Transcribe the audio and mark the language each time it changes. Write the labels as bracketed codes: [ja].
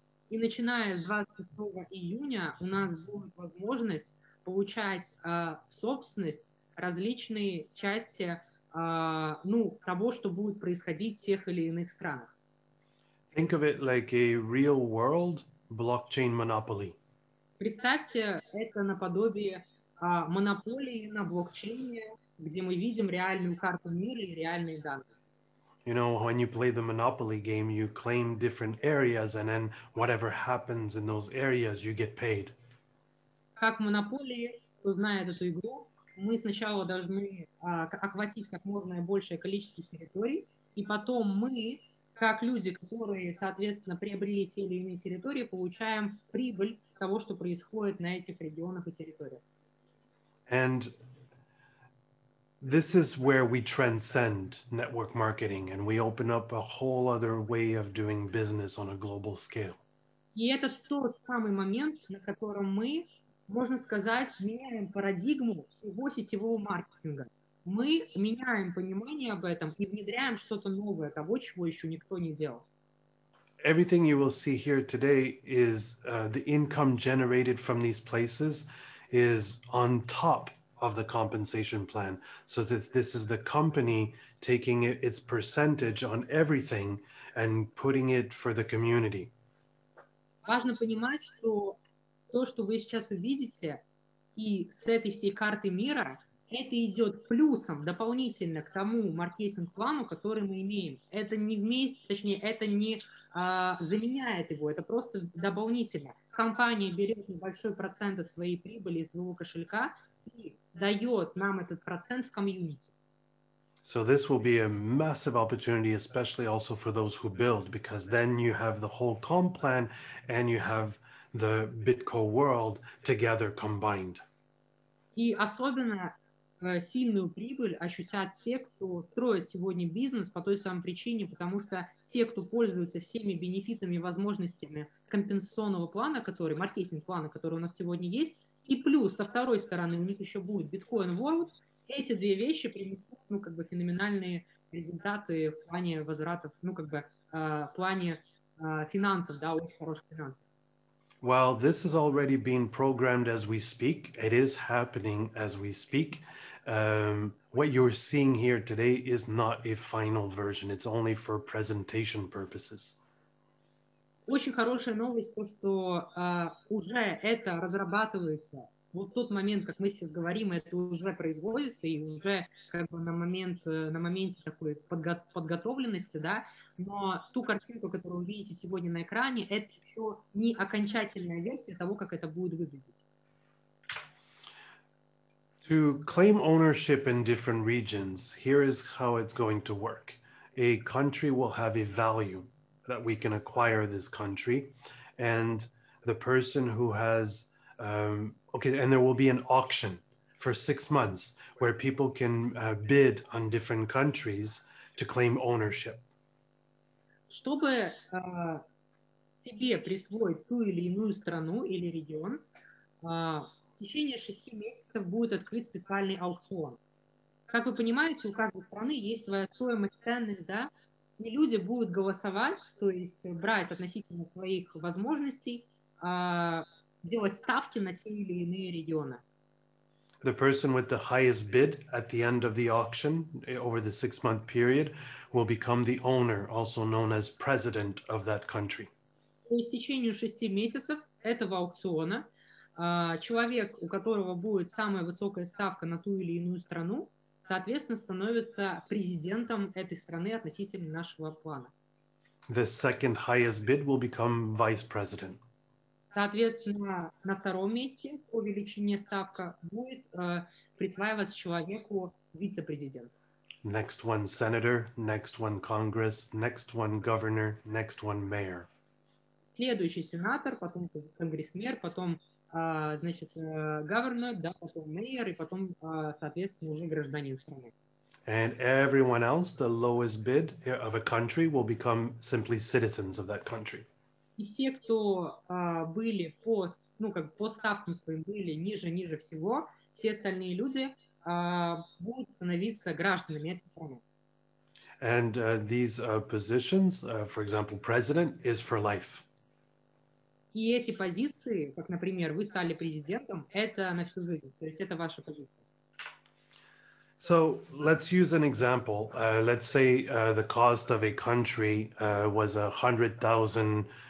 [ru] И начиная с 26 июня у нас будет возможность получать в собственность различные части того, что будет происходить в тех или иных странах. [en] Think of it like a real world blockchain monopoly. [ru] Представьте это наподобие монополии на блокчейне, где мы видим реальную карту мира и реальные данные. [en] You know, when you play the Monopoly game, you claim different areas, and then whatever happens in those areas, you get paid. [ru] Как в Монополии, кто знает эту игру, мы сначала должны охватить как можно большее количество территорий, и потом мы, как люди, которые, соответственно, приобрели те или иные территории, получаем прибыль с того, что происходит на этих регионах и территориях. [en] And this is where we transcend network marketing and we open up a whole other way of doing business on a global scale. [ru] И это тот самый момент, на котором мы, можно сказать, меняем парадигму всего сетевого маркетинга. Мы меняем понимание об этом и внедряем что-то новое, того, чего еще никто не делал. [en] Everything you will see here today is the income generated from these places is on top of the compensation plan. So this is the company taking its percentage on everything and putting it for the community. [ru] Важно понимать, что то, что вы сейчас увидите, и с этой всей карты мира, это идет плюсом дополнительно к тому маркетинг-плану, который мы имеем. Это не вместе, точнее, это не заменяет его, это просто дополнительно. Компания берет небольшой процент от своей прибыли из своего кошелька и дает нам этот процент в комьюнити. [en] So this will be a massive opportunity, especially also for those who build, because then you have the whole comp plan and you have the BitCo world together combined. [ru] И особенно сильную прибыль ощутят те, кто строит сегодня бизнес по той самой причине, потому что те, кто пользуются всеми бенефитами и возможностями компенсационного плана, который, маркетинг-плана, который у нас сегодня есть, и плюс, со второй стороны, у них еще будет Bitcoin World, эти две вещи принесут, ну, как бы, феноменальные результаты в плане возвратов, ну, как бы, в плане финансов, да, очень хороших финансов. [en] Well, this is already being programmed as we speak. It is happening as we speak. What you're seeing here today is not a final version. It's only for presentation purposes. [ru] Очень хорошая новость то, что уже это разрабатывается. Вот тот момент, как мы сейчас говорим, это уже производится и уже как бы на моменте такой подготовленности, да. Но ту картинку, которую вы видите сегодня на экране, это все не окончательная версия того, как это будет выглядеть. [en] To claim ownership in different regions, here is how it's going to work. A country will have a value that we can acquire this country, and the person who has okay, and there will be an auction for 6 months where people can bid on different countries to claim ownership. [ru] Чтобы тебе присвоить ту или иную страну или регион, в течение 6 месяцев будет открыт специальный аукцион. Как вы понимаете, у каждой страны есть своя стоимость, ценность, да? И люди будут голосовать, то есть брать относительно своих возможностей, делать ставки на те или иные регионы. [en] The person with the highest bid at the end of the auction over the 6-month period will become the owner, also known as president of that country. [ru] По истечению 6 месяцев этого аукциона человек, у которого будет самая высокая ставка на ту или иную страну, соответственно, становится президентом этой страны относительно нашего плана. [en] The second highest bid will become vice president. [ru] Соответственно, на втором месте по величине ставка будет присваиваться человеку вице-президент. [en] Next one senator, next one congress, next one governor, next one mayor. [ru] Следующий сенатор, потом конгрессмен, потом, значит, governor, да, потом mayor и потом, соответственно, уже гражданин страны. [en] And everyone else, the lowest bid of a country will become simply citizens of that country. [ru] И все, кто были по, ну, как по ставкам своим были ниже всего, все остальные люди будут становиться гражданами этой страны. [en] And these positions, for example, president, is for life. [ru] И эти позиции, как, например, вы стали президентом, это на всю жизнь, то есть это ваша позиция. [en] So let's use an example. Let's say the cost of a country was $100,000.